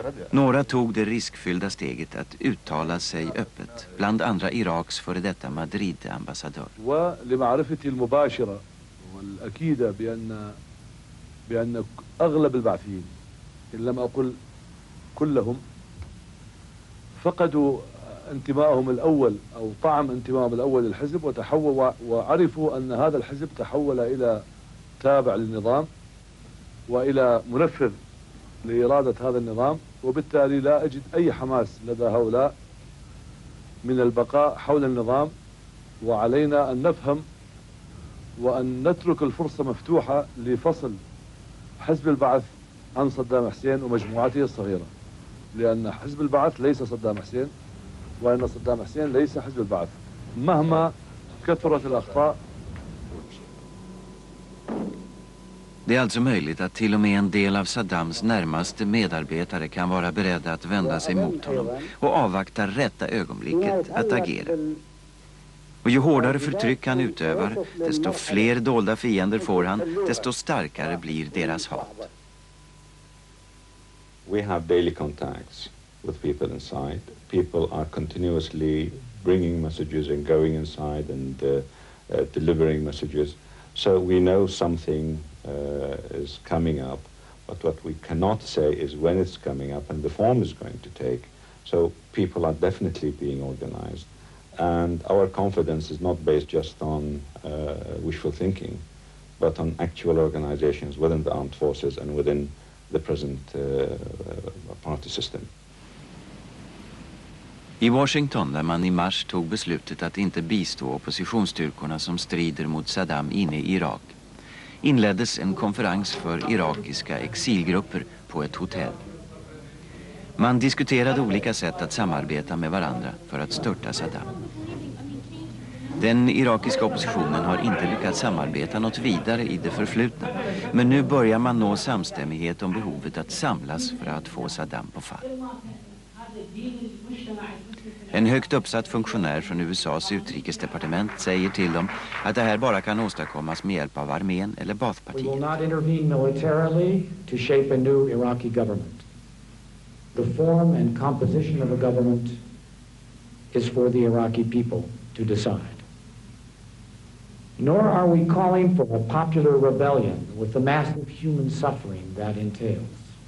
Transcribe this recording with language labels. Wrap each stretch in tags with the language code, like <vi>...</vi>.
<sv>Några tog det riskfyllda steget att uttala sig öppet, bland andra Iraks före detta Madrid-ambassadör.</sv> <ar>انتمائهم الأول أو طعم انتمائهم الأول للحزب وتحول وعرفوا أن هذا الحزب تحول إلى تابع للنظام وإلى منفذ لإرادة هذا النظام وبالتالي لا أجد أي حماس لدى هؤلاء من البقاء حول النظام وعلينا أن نفهم وأن نترك الفرصة مفتوحة لفصل حزب البعث عن صدام حسين ومجموعاته الصغيرة لأن حزب البعث ليس صدام حسين وأن صدام حسين ليس حزب البعث مهما كثرت الأخطاء.</ar> <sv>Det är alltså möjligt att till och med en del av Saddams närmaste medarbetare kan vara beredda att vända sig mot honom och avvakta rätta ögonblicket att agera. Och ju hårdare förtryck han utövar, desto fler dolda fiender får han, desto starkare blir deras hat.</sv> <en>We have daily contacts with people inside. People are continuously bringing messages and going inside and delivering messages. So we know something is coming up, but what we cannot say is when it's coming up and the form is going to take. So people are definitely being organized, and our confidence is not based just on wishful thinking, but on actual organizations within the armed forces and within the present party system.</en> <sv>I Washington, där man i mars tog beslutet att inte bistå oppositionsstyrkorna som strider mot Saddam inne i Irak, inleddes en konferens för irakiska exilgrupper på ett hotell. Man diskuterade olika sätt att samarbeta med varandra för att störta Saddam. Den irakiska oppositionen har inte lyckats samarbeta något vidare i det förflutna, men nu börjar man nå samstämmighet om behovet att samlas för att få Saddam på fall. En högt uppsatt funktionär från USAs utrikesdepartement säger till dem att det här bara kan åstadkommas med hjälp av armén eller Baathpartiet.</sv> <en>We will not intervene militarily to shape a new Iraqi government. The form and composition of a government is for the Iraqi people to decide. Nor are we calling for a popular rebellion with the massive human suffering that entails.</en>